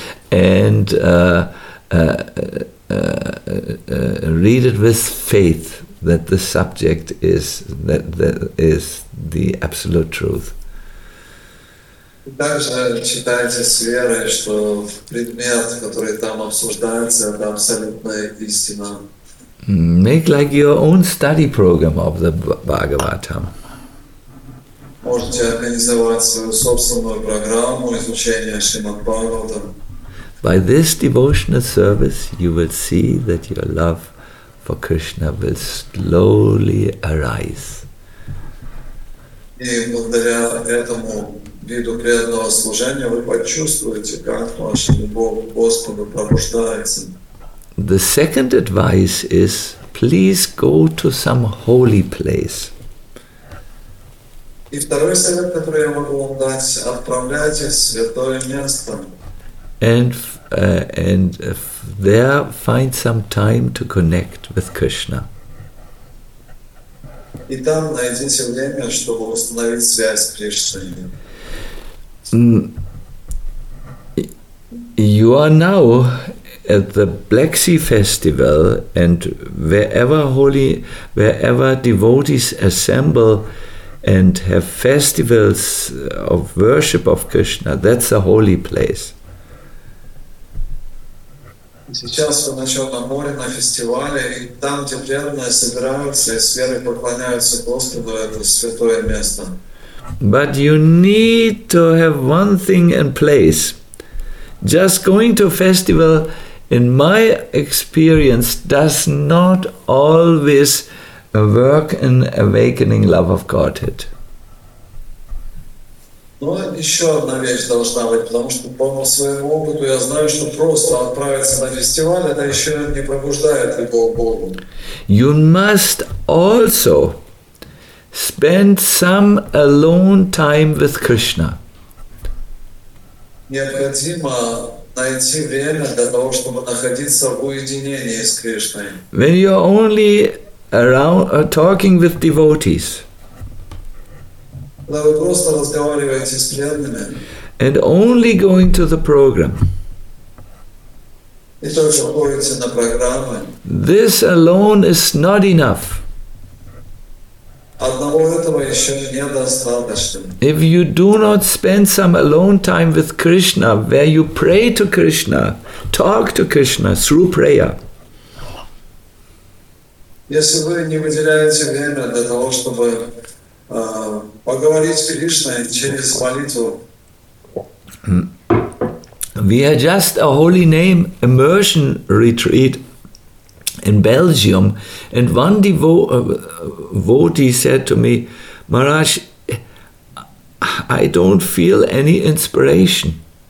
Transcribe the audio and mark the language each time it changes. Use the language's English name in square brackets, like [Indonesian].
[English] And read it with faith that the subject is that is the absolute truth. [Russian] Также читайте с верой, что предмет, который там обсуждается, это абсолютная истина. [English] Make like your own study program of the Bhagavatam. [Russian] Можете организовать свою собственную программу изучения Шримад-Бхагаватам. [English] By this devotional service, you will see that your love for Krishna will slowly arise. [Russian] И благодаря этому виду преданного служения вы почувствуете, как ваша любовь к Господу пробуждается. [English] The second advice is, please go to some holy place. [Russian] И второй совет, который я могу вам дать, отправляйтесь в святое место. [English] And there find some time to connect with Krishna. [Russian] и там найдите время, чтобы установить связь с Кришной. [English] You are now at the Black Sea Festival, and wherever devotees assemble and have festivals of worship of Krishna, that's a holy place. [Russian] Сейчас вы на Чёрном море на фестивале, и там, где преданные собираются и с верой поклоняются Господу, это святое место. [English] But you need to have one thing in place. Just going to a festival, in my experience, does not always work in awakening love of Godhead. [Russian] Но еще одна вещь должна быть, потому что по своему опыту я знаю, что просто отправиться на фестиваль, это еще не пробуждает любого Бога. [English] You must also spend some alone time with Krishna. [Russian] Необходимо найти время для того, чтобы находиться в уединении с Кришной. [English] When you are only around talking with devotees. [Russian] Когда вы просто разговариваете с преданными. [English] And only going to the program. [Russian] И только ходите на программы. [English] This alone is not enough. [Russian] Одного этого еще недостаточно. [English] If you do not spend some alone time with Krishna, where you pray to Krishna, talk to Krishna through prayer. [Russian] Если вы не выделяете время для того, чтобы поговорить с Кришной через молитву. [English] We had just a holy name immersion retreat in Belgium, and one devotee said to me, Maharaj, I don't feel any inspiration.